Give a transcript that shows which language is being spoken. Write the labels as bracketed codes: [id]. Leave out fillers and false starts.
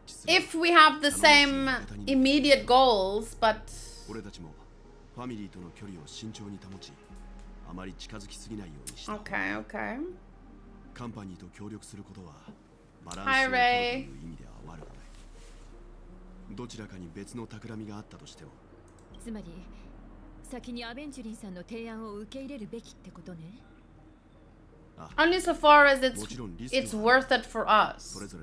[en] if we have the same immediate goals, but... [ja] ファミリーとの距離を慎重に保ち、あまり近づきすぎないようにした。カンパニーと協力することは、バランスを取るという意味では悪くない。どちらかに別の企みがあったとしても、つまり先にアベンチュリンさんの提案を受け入れるべきってことね。 [en] Only so far as it's worth it for us.